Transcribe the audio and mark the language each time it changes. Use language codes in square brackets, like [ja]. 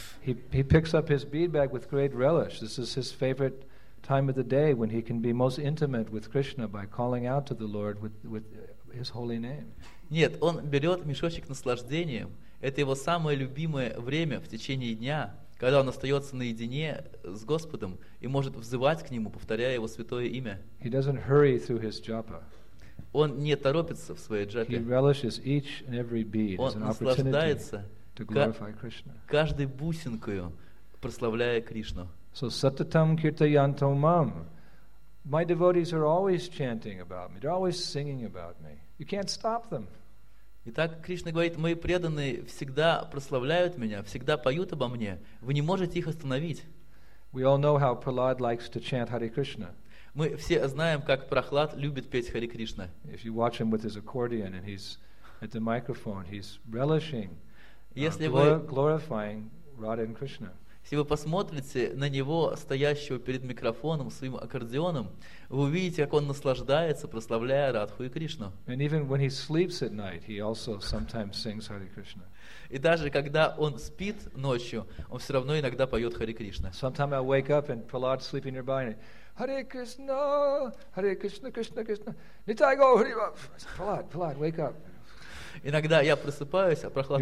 [en] He picks up his bead bag with great relish. This is his favorite time of the day when he can be most intimate with Krishna by calling out to the Lord with his holy name. [ru] Нет, он берет мешочек наслаждением. Это его самое любимое время в течение дня, когда он остается наедине с Господом и может взывать к Нему, повторяя Его святое имя. [en] He doesn't hurry through his japa. [ru] Он не торопится в своей джапе. [en] He relishes each and every bead as an opportunity to glorify Krishna. [ru] Каждой бусинкою, прославляя Кришну. [en] So [sa] sattatam kirtayantomam. [en] My devotees are always chanting about me. They're always singing about me. You can't stop them. [ru] Итак, Кришна говорит, мои преданные всегда прославляют меня, всегда поют обо мне. Вы не можете их остановить. [en] We all know how Prahlad likes to chant Hare Krishna. [ru] Мы все знаем, как Прохлад любит петь Хари Кришна. [en] If you watch him with his accordion and he's at the microphone, he's relishing. [ru] Если вы, [en] glorifying Radha and Krishna. [ru] Если вы посмотрите на него, стоящего перед микрофоном, своим аккордеоном, вы увидите, как он наслаждается, прославляя Радху и Кришну. [en] And even when he sleeps at night, he also sometimes sings Hare Krishna. [ru] И даже когда он спит ночью, он все равно иногда поет Хари Кришна. [en] Sometimes I wake up and Prahlad sleeping nearby, and Hare Krishna, Hare Krishna, Krishna Krishna, Nitaigo, Hare Krishna. Prahlad, Prahlad, wake up. [ru] Иногда я просыпаюсь, а Прохлад